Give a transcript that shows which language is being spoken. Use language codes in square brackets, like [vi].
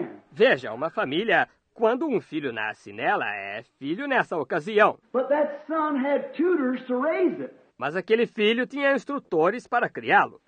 [pt] Veja, uma família, quando um filho nasce nela, é filho nessa ocasião. [en] But that son had tutors to raise it. [pt] Mas aquele filho tinha instrutores para criá-lo.